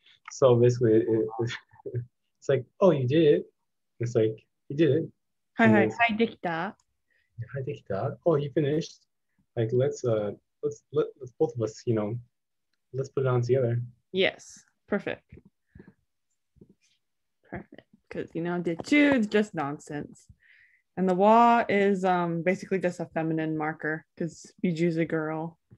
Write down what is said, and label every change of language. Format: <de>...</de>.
<en>So basically it's like, oh, you did it. It's like, you did it.</en> <ja>はいはい、はいできた。はいできた。</ja> <en>Oh, you finished. Like, let's both of us, you know, let's put it on together. Yes, perfect. Perfect. Because, you know, dechu is just nonsense. And the wa is basically just a feminine marker because Biju's a girl.</en>